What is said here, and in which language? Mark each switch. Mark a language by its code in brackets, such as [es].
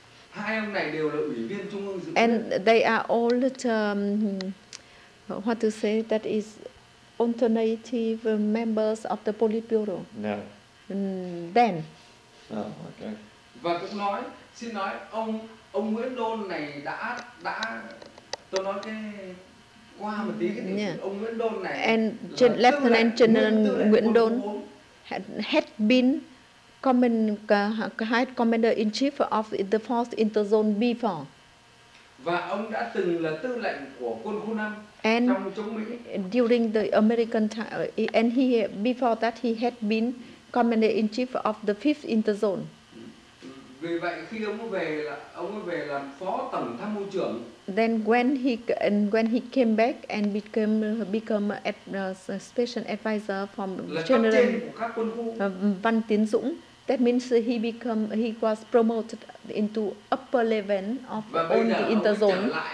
[vi] Hai ông này đều là ủy viên trung ương dự kiến. [en] And they are all the, what to say, that is alternative members of the Politburo. No. Then. Oh, okay. [vi] Và cũng nói, xin nói, ông Nguyễn Đôn này đã tôi nói cái qua một tí cái này, ông Nguyễn Đôn này. [en] And Lieutenant General Nguyễn Đôn had been High Commander in Chief of the Force Interzone before. [vi] Và ông đã từng là tư lệnh của quân khu 5 [en] and [vi] trong chống Mỹ. [en] During the American time, and he before that he had been Commander in Chief of the 5th Interzone. [vi] Vì vậy khi ông về làm Phó Tổng Tham mưu trưởng. [en] Then when he came back and became a special advisor from General Văn Tiến Dũng, that means he was promoted into upper level of all the interzone.